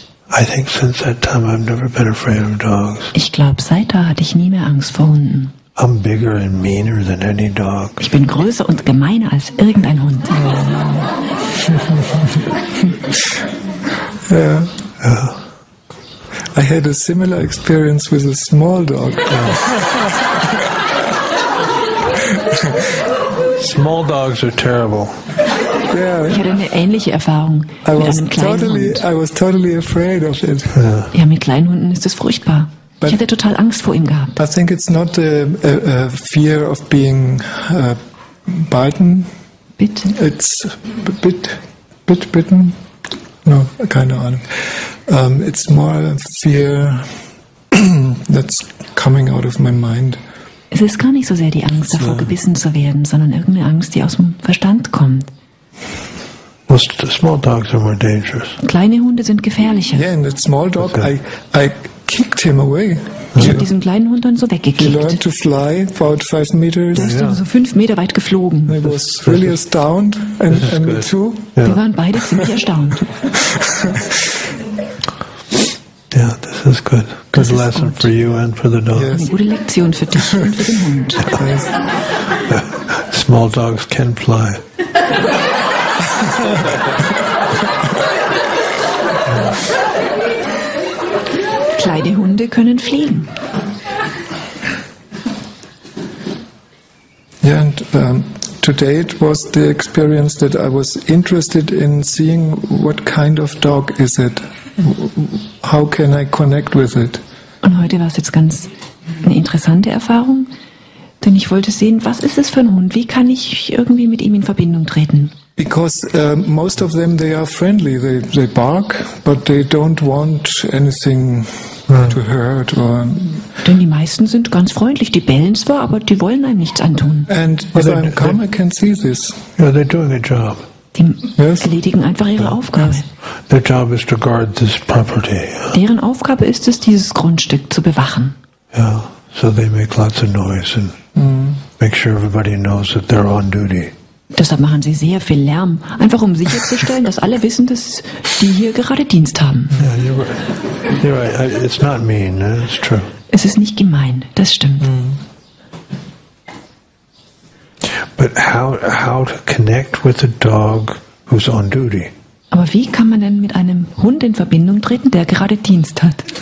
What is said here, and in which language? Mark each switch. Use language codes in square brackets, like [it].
[en] I think since that time I've never been afraid of dogs. [de] Ich glaube, seit da hatte ich nie mehr Angst vor Hunden. [en] I'm bigger and meaner than any dog. [de] Ich bin größer und gemeiner als irgendein Hund. [en] Yeah. I had a similar experience with a small dog. Small dogs are terrible. Yeah. [de] Ich hatte eine ähnliche Erfahrung mit einem kleinen Hund. [en] I was totally afraid of it. [de] Yeah. Ja, mit kleinen Hunden ist es furchtbar. But ich hatte total Angst vor ihm gehabt. [en] I think it's not a fear of being bitten. Bitten? It's bitten? No, [de] keine Ahnung. [en] It's more a fear that's coming out of my mind. [de] Es ist gar nicht so sehr die Angst, davor gebissen zu werden, sondern irgendeine Angst, die aus dem Verstand kommt. [en] Small dogs are more dangerous. [de] Kleine Hunde sind gefährlicher. [en] Yeah, and the small dog, I kicked him away. [de] Ich habe diesen kleinen Hund dann so weggekickt. [en] He learned to fly about 5 meters. [de] Der ist dann so 5 Meter weit geflogen. [en] He was really astounded, and me too. [de] Yeah. Wir waren beide ziemlich erstaunt. [en] Yeah, this is good. Good lesson for you and for the dog. [de] Eine gute Lektion für dich und für den Hund. [en] Small dogs can fly. [de] Kleine Hunde können fliegen. [en] Yeah, and today it was the experience that I was interested in seeing what kind of dog is it? How can I connect with it? [de] Und heute war es jetzt ganz eine interessante Erfahrung, denn ich wollte sehen, was ist es für ein Hund? Wie kann ich irgendwie mit ihm in Verbindung treten? [en] Because most of them, they are friendly. They bark, but they don't want anything to hurt. [de] Denn die meisten sind ganz freundlich. Die bellen zwar, aber die wollen einem nichts antun. [en] And if I'm calm, I can see this. Yeah, they're doing their job. [de] Die erledigen einfach ihre Aufgabe. [en] Their job is to guard this property. [de] Deren Aufgabe ist es, dieses Grundstück zu bewachen. [en] Yeah, so they make lots of noise and make sure everybody knows that they're on duty. [de] Deshalb machen sie sehr viel Lärm, einfach um sicherzustellen, dass alle wissen, dass die hier gerade Dienst haben. [en] Yeah, you're right. It's not mean, it's true. [de] Es ist nicht gemein, das stimmt. Mm. [en] But how to connect with a dog who's on duty? [de] Aber wie kann man denn mit einem Hund in Verbindung treten, der gerade Dienst hat?